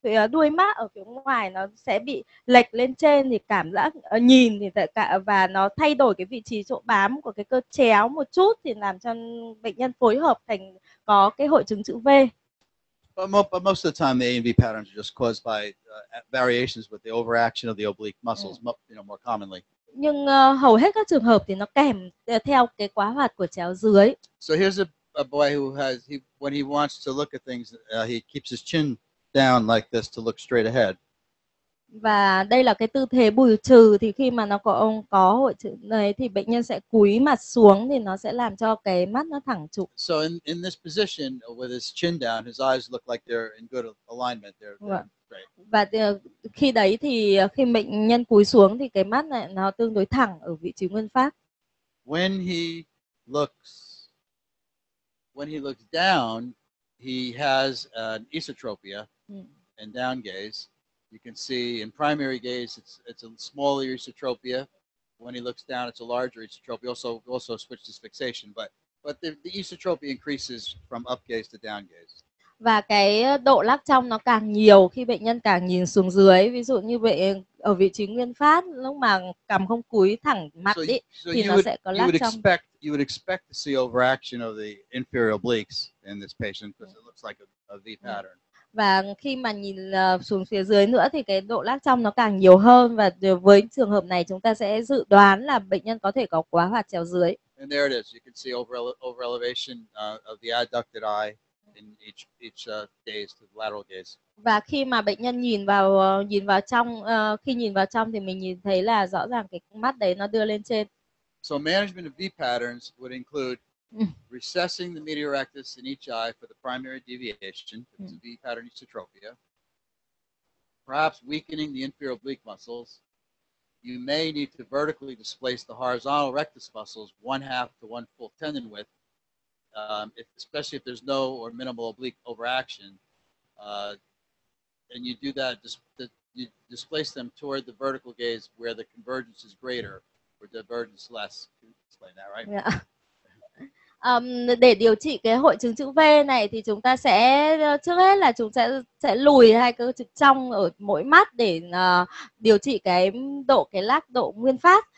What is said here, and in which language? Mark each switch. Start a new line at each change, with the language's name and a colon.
Vietnamese: đuôi mắt ở phía ngoài nó sẽ bị lệch lên trên thì cảm giác nhìn thì tất cả và nó thay đổi cái vị trí chỗ bám của cái cơ chéo một chút thì làm cho bệnh nhân phối hợp thành có cái hội chứng chữ V.
English: But most of the time the A and B patterns are just caused by variations with the overaction of the oblique muscles, more commonly.
Vietnamese: Nhưng hầu hết các trường hợp thì nó kèm theo cái quá hoạt của chéo dưới.
English: So here's a boy who has when he wants to look at things he keeps his chin down like this to look straight ahead.
Vietnamese: Và đây là cái tư thế bùi trừ thì khi mà nó có hội chứng này thì bệnh nhân sẽ cúi mặt xuống thì nó sẽ làm cho cái mắt nó thẳng trụ.
English: So in this position with his chin down, his eyes look like they're in good alignment.
Vietnamese: Và khi đấy thì khi bệnh nhân cúi xuống thì cái mắt này nó tương đối thẳng ở vị trí nguyên phát.
English: When he looks down, he has an esotropia and down gaze. You can see in primary gaze, it's a smaller esotropia. When he looks down, it's a larger esotropia. Also switches fixation. But But the esotropy increases from up gaze to down gaze.
Vietnamese: Và cái độ lắc trong nó càng nhiều khi bệnh nhân càng nhìn xuống dưới. Ví dụ như vậy ở vị trí nguyên phát, lúc mà cằm không cúi thẳng mặt ấy, thì nó sẽ có lắc trong.
English: You would expect to see overaction of the inferior obliques in this patient because it looks like a V pattern.
Vietnamese: Và khi mà nhìn xuống phía dưới nữa thì cái độ lắc trong nó càng nhiều hơn. Và với trường hợp này chúng ta sẽ dự đoán là bệnh nhân có thể có quá hoạt chéo dưới.
English: And there it is. You can see over elevation of the adducted eye in each gaze to the lateral gaze.
Vietnamese: Và khi mà bệnh nhân nhìn vào trong thì mình nhìn thấy là rõ ràng cái mắt đấy nó đưa lên trên.
English: So management of V patterns would include recessing the medial rectus in each eye for the primary deviation, the V pattern esotropia. Perhaps weakening the inferior oblique muscles. You may need to vertically displace the horizontal rectus muscles 1/2 to 1/4 tendon width, especially if there's no or minimal oblique overaction. And you do that, you displace them toward the vertical gaze where the convergence is greater or divergence less. Can you explain that, right? Yeah.
Vietnamese: Để điều trị cái hội chứng chữ V này thì chúng ta sẽ trước hết là chúng sẽ lùi hai cơ trực trong ở mỗi mắt để điều trị cái độ nguyên phát.